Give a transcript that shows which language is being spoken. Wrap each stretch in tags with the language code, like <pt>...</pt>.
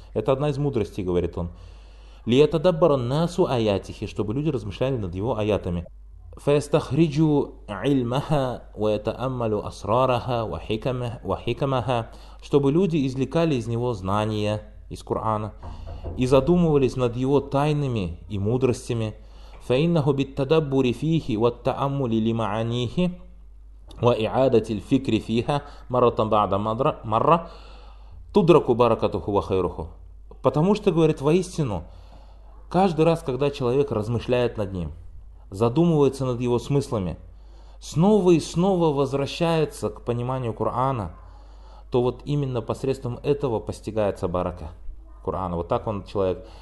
<ru>Это одна из мудростей, говорит он.</ru> <ar>Ли ятадаббара ан-насу аятихи,</ar> <ru>чтобы люди размышляли над его аятами.</ru> <ar>Фаястахриджу илмаха ва ятааммалу асрараха ва хикамаха,</ar> <ru>чтобы люди извлекали из него знания из Кур'ана и задумывались над его тайнами и мудростями.</ru> <ar>Фаиннаху биттадаббури фихи ва ат-тааммули лимаанихи وَإِعَادَةِ الْفِكْرِ فِيهَا مَرَّةً بَعْدَ مَرَّةً تُدْرَكُ بَرَكَتُهُ وَخَيْرُهُ.</ar> <ru>Потому что, говорит, воистину, каждый раз, когда человек размышляет над ним, задумывается над его смыслами, снова и снова возвращается к пониманию Кур'ана, то вот именно посредством этого постигается барака. Курана. Вот так он человек.</ru>